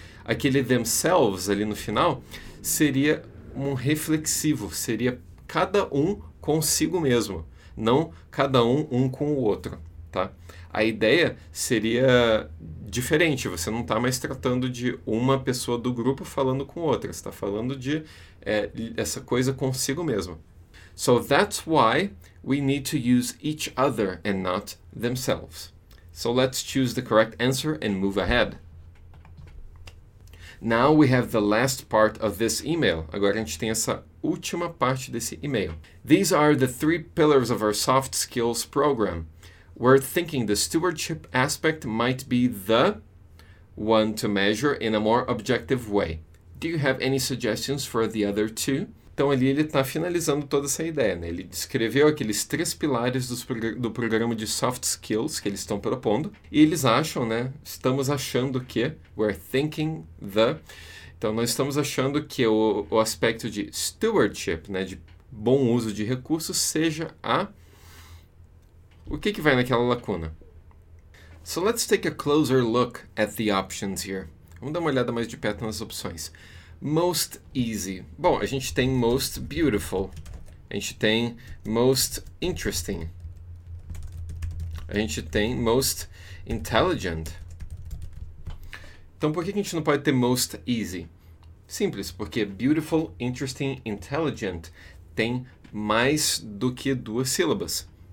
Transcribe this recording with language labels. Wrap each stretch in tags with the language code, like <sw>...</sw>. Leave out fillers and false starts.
<pt>Aquele themselves ali no final seria um reflexivo, seria cada um consigo mesmo, não cada um com o outro, tá? A ideia seria diferente, você não está mais tratando de uma pessoa do grupo falando com outra, você está falando de essa coisa consigo mesmo.</pt> <en>So that's why we need to use each other and not themselves. So let's choose the correct answer and move ahead. Now we have the last part of this email.</en> <pt>Agora a gente tem essa última parte desse email.</pt> <en>These are the three pillars of our soft skills program. We're thinking the stewardship aspect might be the one to measure in a more objective way. Do you have any suggestions for the other two?</en> <pt>Então, ali ele está finalizando toda essa ideia, né? Ele descreveu aqueles três pilares do programa de soft skills que eles estão propondo. E eles acham, né? Estamos achando que,</pt> <en>we're thinking the.</en> <pt>Então, nós estamos achando que o aspecto de stewardship, né? De bom uso de recursos, seja a. O que que vai naquela lacuna?</pt> <en>So let's take a closer look at the options here.</en> <pt>Vamos dar uma olhada mais de perto nas opções. Most easy. Bom, a gente tem most beautiful. A gente tem most interesting. A gente tem most intelligent. Então, por que a gente não pode ter most easy? Simples, porque beautiful, interesting, intelligent tem mais do que duas sílabas.</pt>